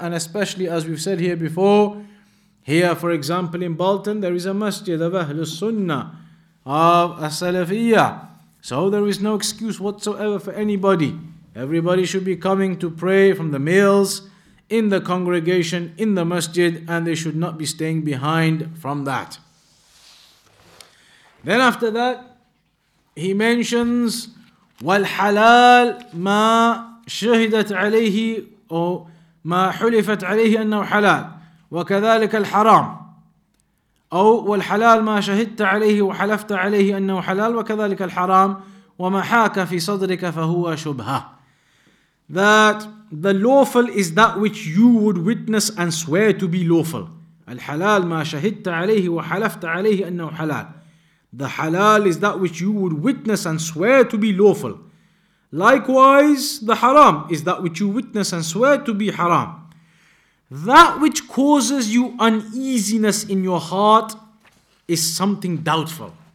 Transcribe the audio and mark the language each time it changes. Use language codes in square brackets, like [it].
[en] And especially, as we've said here before, here, for example, in Bolton, there is a masjid of Ahlul Sunnah of As-Salafiyyah. So there is no excuse whatsoever for anybody. Everybody should be coming to pray from the meals, in the congregation, in the masjid, and they should not be staying behind from that. Then after that, he mentions, [ar] وَالْحَلَالْ مَا شَهِدَتْ عَلَيْهِ أَوْ مَا حُلِفَتْ عَلَيْهِ أَنَّهُ حَلَالٍ وكذلك الحرام أو والحلال ما شهدت عليه وحلفت عليه أنه حلال وكذلك الحرام وما حاك في صدرك فهو شبهة. [en] That the lawful is that which you would witness and swear to be lawful. [ar] الحلال ما شهدت عليه وحلفت عليه أنه حلال. [en] The halal is that which you would witness and swear to be lawful. Likewise, the haram is that which you witness and swear to be haram. That which causes you uneasiness in your heart is something doubtful.